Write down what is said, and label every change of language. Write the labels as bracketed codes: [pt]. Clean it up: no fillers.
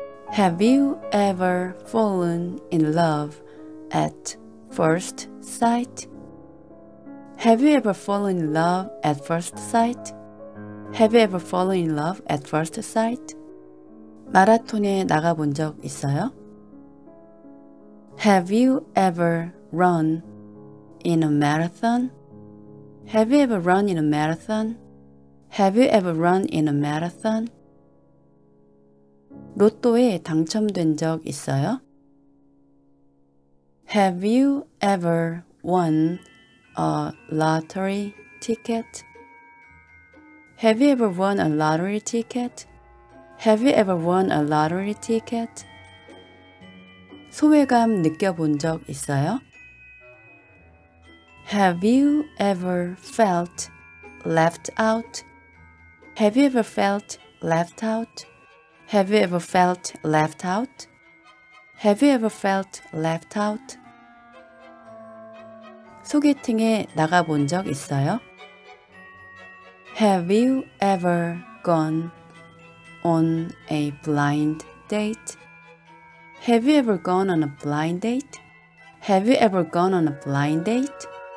[en] Have you ever fallen in love at first sight? Have you ever fallen in love at first sight? Have you ever fallen in love at first sight? [ko] 마라톤에 나가본 적 있어요? [en] Have you ever run in a marathon? Have you ever run in a marathon? Have you ever run in a marathon? [ko] 로또에 당첨된 적 있어요? [en] Have you ever won a lottery ticket? Have you ever won a lottery ticket? Have you ever won a lottery ticket? [ko] 소외감 느껴본 적 있어요? [en] Have you ever felt left out? Have you ever felt left out? Have you ever felt left out? Have you ever felt left out? [ko] 소개팅에 나가본 적 있어요? [en] Have you ever gone on a blind date? Have you ever gone on a blind date? Have you ever gone on a blind date?